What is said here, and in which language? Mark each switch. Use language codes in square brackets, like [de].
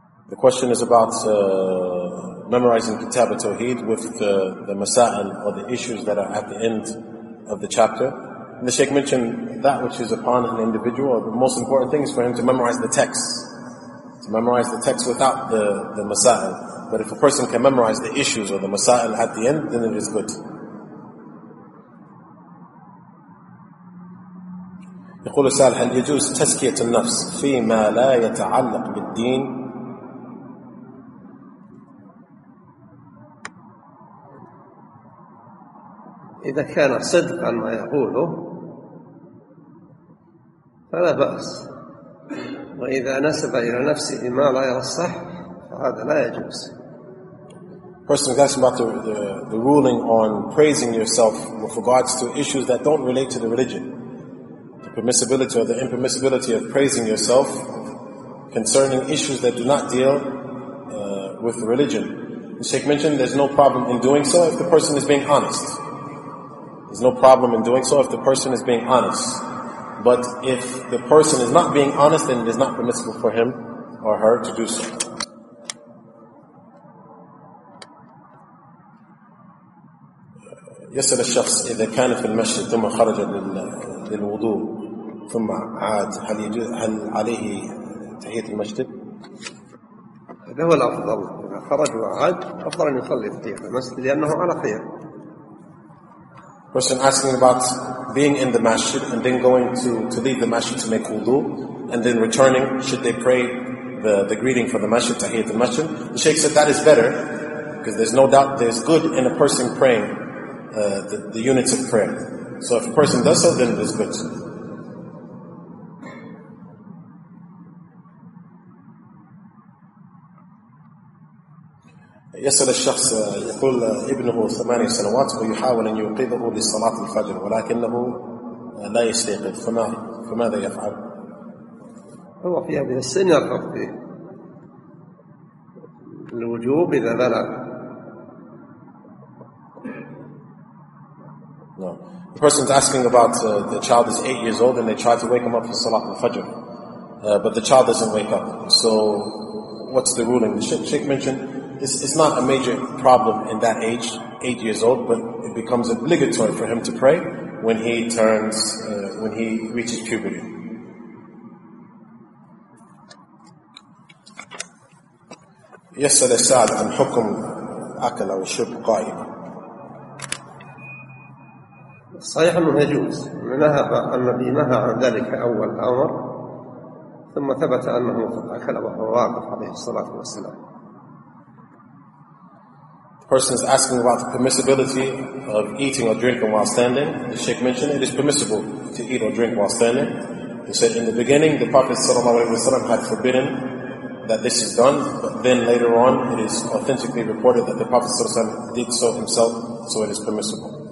[en] The question is about memorizing Kitab al-Tawheed with the masail or the issues that are at the end of the chapter. And the Sheikh mentioned that which is upon an individual. The most important thing is for him to memorize the text. To memorize the text without the masail. But if a person can memorize the issues or the masail at the end, then it is good. [ar] يقول السائل هل يجوز تزكية النفس فيما لا يتعلق بالدين؟ إذا كان صدقا ما يقوله فلا بأس، وإذا نسب إلى نفسه ما لا يصح فهذا لا يجوز. [en] Person is asking about the ruling on praising yourself with regards to issues that don't relate to the religion. The permissibility or the impermissibility of praising yourself concerning issues that do not deal with religion. The Sheikh mentioned there's no problem in doing so if the person is being honest. There's no problem in doing so if the person is being honest. But if the person is not being honest, then it is not permissible for him or her to do so. [ar] يسأل الشخص إذا كان في المسجد ثم خرج للوضوء ثم عاد هل عليه تحية المسجد؟ هذا هو الأفضل، إذا خرج وعاد أفضل أن يصلي تحية المسجد لأنه على خير. [en] Person asking about being in the masjid and then going to leave the masjid to make wudu and then returning, should they pray the greeting for the masjid, tahiyat al-masjid? The Shaykh said that is better because there's no doubt there's good in a person praying the units of prayer. So if a person does so, then it is good. [ar] يسأل الشخص يقول ابنه 8 سنوات ويحاول أن يوقظه لصلاة الفجر ولكنه لا يستيقظ فماذا يفعل؟ هو في هذه السن يرغب في الوجوب إذا بلغ. [en] No. The person is asking about the child is 8 years old and they try to wake him up for صلاة الفجر but the child doesn't wake up. So what's the ruling? The Sheikh mentioned it's not a major problem in that age, 8 years old, but it becomes obligatory for him to pray when he turns, when he reaches puberty. [ar] يسأل السائل عن حكم أكل أو شرب قائما. صحيح أنه يجوز، نهى النبي نهى عن ذلك أول الأمر، ثم ثبت أنه أكل وهو واقف عليه الصلاة والسلام. [en] Person is asking about the permissibility of eating or drinking while standing. The Sheikh mentioned it is permissible to eat or drink while standing. He said in the beginning the Prophet ﷺ had forbidden that this is done, but then later on it is authentically reported that the Prophet ﷺ did so himself, so it is permissible.